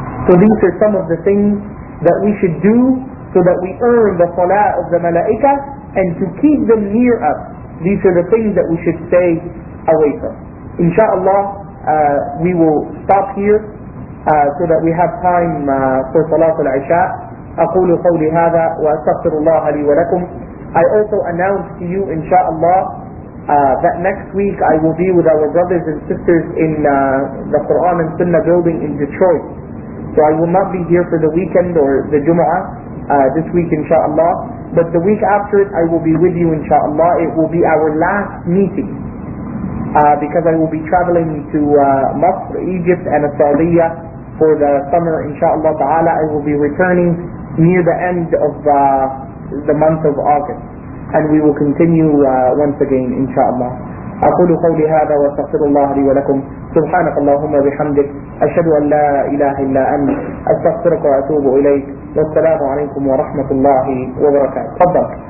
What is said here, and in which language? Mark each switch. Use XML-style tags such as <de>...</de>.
<en>So these are some of the things that we should do so that we earn the salah of the malaika and to keep them near us. These are the things that we should stay away from. InshaAllah, we will stop here so that we have time for Salat al-Isha.</en> <ar>أقول قولي هذا وأستغفر الله لي ولكم.</ar> <en>I also announce to you inshallah that next week I will be with our brothers and sisters in the Quran and Sunnah building in Detroit. So I will not be here for the weekend or the Jumu'ah this week inshallah. But the week after it I will be with you inshallah. It will be our last meeting because I will be traveling to Masr, Egypt and Saudiya for the summer inshallah ta'ala. I will be returning near the end of the month of August. And we will continue once again, inshaAllah.</en> <ar>أقول قولي هذا وأستغفر الله لي ولكم. سبحانك اللهم وبحمدك. أشهد أن لا إله إلا أنت. أستغفرك وأتوب إليك. والسلام عليكم ورحمة الله وبركاته. تفضل.</ar>